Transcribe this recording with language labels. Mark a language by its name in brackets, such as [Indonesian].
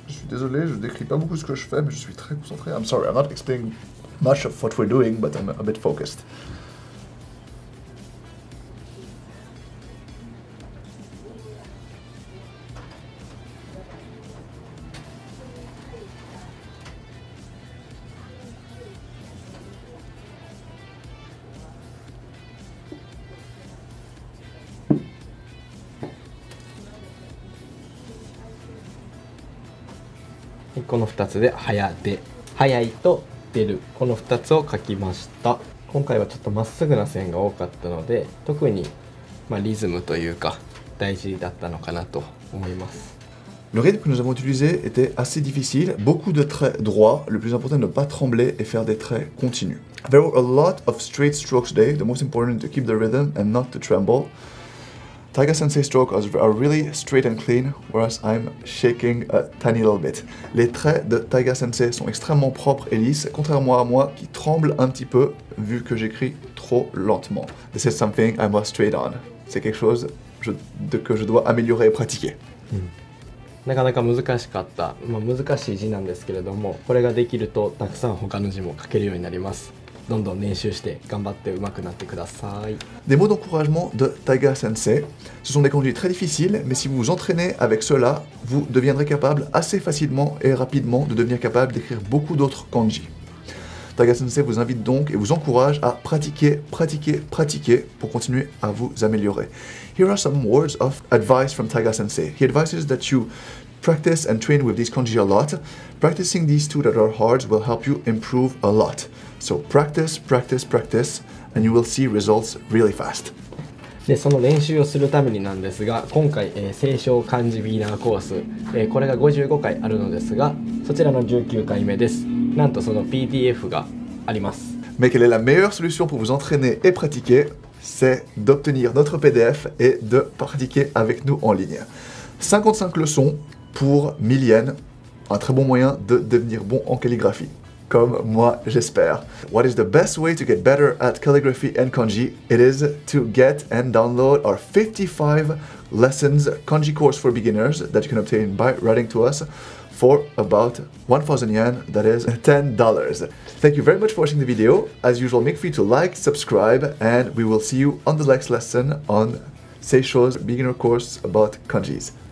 [French] Désolé, je décris pas beaucoup ce que je fais, mais je suis très concentré. [English] I'm sorry, I'm not explaining much of what we're doing, but I'm a bit focused. [Japanese] この2つで早で、早いと出る、この2つを書きました。今回はちょっとまっすぐな線が多かったので、特にまあリズムというか大事だったのかなと思います。 [French] Le rythme que nous avons utilisé était assez difficile. Beaucoup de traits droits. Le plus important, ne pas trembler et faire des traits continus. [English] There were a lot of straight strokes today. The most important is to keep the rhythm and not to tremble. Taiga sensei stroke are really straight and clean, whereas I'm shaking a tiny little bit. [French] Les traits de Taiga sensei sont extrêmement propres et lisses, contrairement à moi qui tremble un petit peu vu que j'écris trop lentement. [English] This is something I must trade on. [French] C'est quelque chose que je dois améliorer et pratiquer. [Japanese] なかなか難しかった。まあ難しい字なんですけれども、これができるとたくさん他の字も書けるようになります。どんどん練習して頑張って上手くなってください。 [French] Des mots d'encouragement de Taiga sensei. Ce sont des conduits très difficiles, mais si vous vous entraînez avec cela, vous deviendrez capable assez facilement et rapidement de devenir capable d'écrire beaucoup d'autres kanji. Taiga sensei vous invite donc et vous encourage à pratiquer, pratiquer, pratiquer pour continuer à vous améliorer. [English] Here are some words of advice from Taiga sensei. He advises that youPractice and train with these kanji a lot. Practicing these two that are hard will help you improve a lot. So practice, practice, practice, and you will see results really fast. [Japanese] で、その練習をするためになんですが、今回、清少漢字ビギナーコース、これが55回あるのですが、そちらの19回目です。なんとその PDF があります。 [French] Mais quelle est la meilleure solution pour vous entraîner et pratiquer? C'est d'obtenir notre PDF et de pratiquer avec nous en ligne. 55 leçons. Pour 1000 yens, un très bon moyen de devenir bon en calligraphie, comme moi j'espère. [English] What is the best way to get better at calligraphy and kanji? It is to get and download our 55 lessons kanji course for beginners that you can obtain by writing to us for about 1000 yen, that is $10. Thank you very much for watching the video. As usual, make free to like, subscribe, and we will see you on the next lesson on Seisho's beginner course about kanjis.